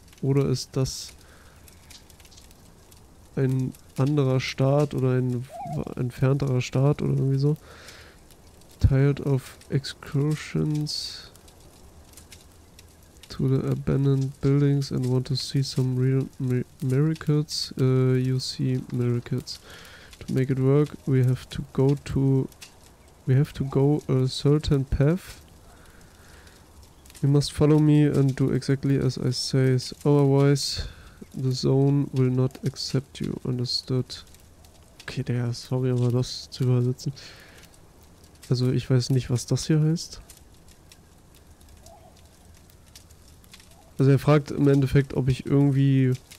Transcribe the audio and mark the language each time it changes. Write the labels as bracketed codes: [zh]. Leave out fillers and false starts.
[de] Oder ist das ein anderer Staat oder ein entfernterer Staat oder irgendwie so? [en] Tired of excursions to the abandoned buildings and want to see some real miracles. You see miracles. To make it work, we have to go a certain path. You must follow me and do exactly as I say, otherwise the zone will not accept you. Understood? [de] Okay, der, sorry, aber das zu übersetzen. Also ich weiß nicht, was das hier heißt. Also er fragt im Endeffekt, ob ich irgendwie.